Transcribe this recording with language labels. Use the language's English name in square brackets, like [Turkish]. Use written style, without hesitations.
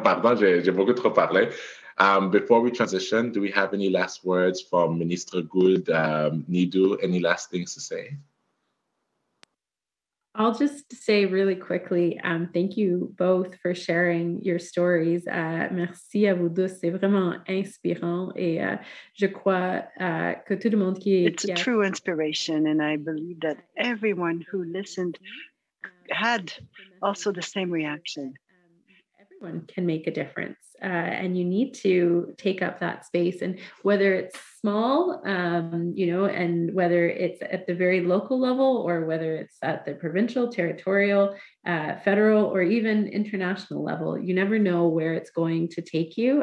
[French] Pardon, j'ai beaucoup trop parlé. [English] Before we transition, do we have any last words from Minister Gould, Nidhu, any last things to say? I'll just say really quickly, thank you both for sharing your stories. [French] Merci à vous deux, c'est vraiment inspirant. Et je crois que tout le monde qui... [English] It's a true inspiration, and I believe that everyone who listened had also the same reaction. Everyone can make a difference, and you need to take up that space. And whether it's small, and whether it's at the very local level, or whether it's at the provincial, territorial, federal, or even international level, you never know where it's going to take you.